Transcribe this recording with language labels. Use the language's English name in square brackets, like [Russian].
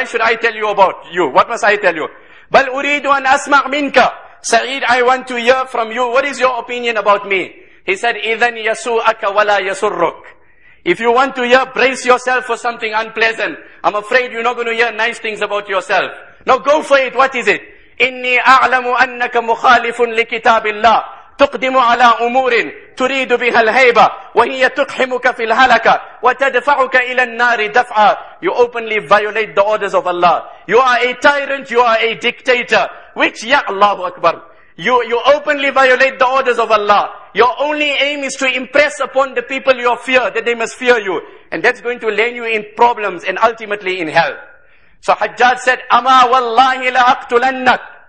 [English] Why should I tell you about you? What must I tell you? [Arabic] بَلْ أُرِيدُ أَنْ أَسْمَعْ مِنْكَ [English] Saeed, I want to hear from you. What is your opinion about me? He said, [Arabic] إِذَنْ يَسُوءَكَ وَلَا يَسُرُّكَ [English] If you want to hear, brace yourself for something unpleasant. I'm afraid you're not going to hear nice things about yourself. Now go for it. What is it? [Arabic] إِنِّي أَعْلَمُ أَنَّكَ مُخَالِفٌ لِكِتَابِ اللَّهِ تقدم على أمور تريد بها الهيبة وهي تقحمك في الهلكة وتدفعك إلى النار دفعا [English] You openly violate the orders of Allah. You are a tyrant, you are a dictator. Which, ya Allahu Akbar. You openly violate the orders of Allah. Your only aim is to impress upon the people your fear, that they must fear you. And that's going to land you in problems and ultimately in hell. So Hajjaj said, [Arabic] أما والله لأقتلنك